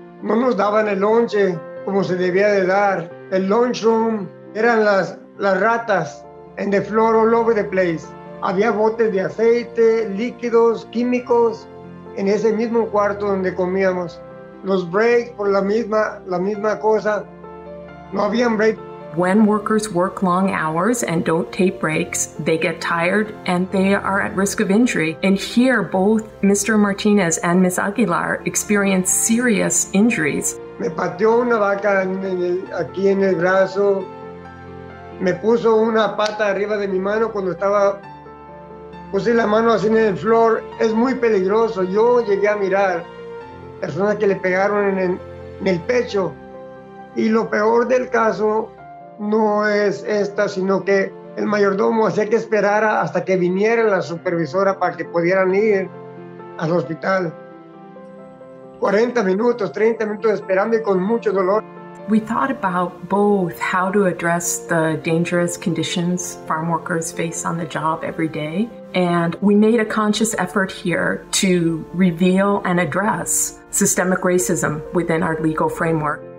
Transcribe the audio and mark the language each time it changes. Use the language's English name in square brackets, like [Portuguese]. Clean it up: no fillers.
[Spanish] No nos daban el lonche como se debía de dar. El lunchroom eran las ratas en [English] the floor all over the place. [Spanish] Había botes de aceite, líquidos, químicos en ese mismo cuarto donde comíamos. Los breaks por la misma cosa. No habían break. [English] When workers work long hours and don't take breaks, they get tired and they are at risk of injury. And here, both Mr. Martinez and Ms. Aguilar experience serious injuries. [Spanish] Me pateó una vaca aquí en el brazo. Me puso una pata arriba de mi mano cuando estaba. Puse la mano así en el floor. Es muy peligroso. Yo llegué a mirar personas que le pegaron en el pecho. Y lo peor del caso no es esta, sino que el mayordomo hacía que esperara hasta que viniera la supervisora para que pudieran ir al hospital. 40 minutos, 30 minutos esperando y con mucho dolor. [English] We thought about both how to address the dangerous conditions farm workers face on the job every day. And we made a conscious effort here to reveal and address systemic racism within our legal framework.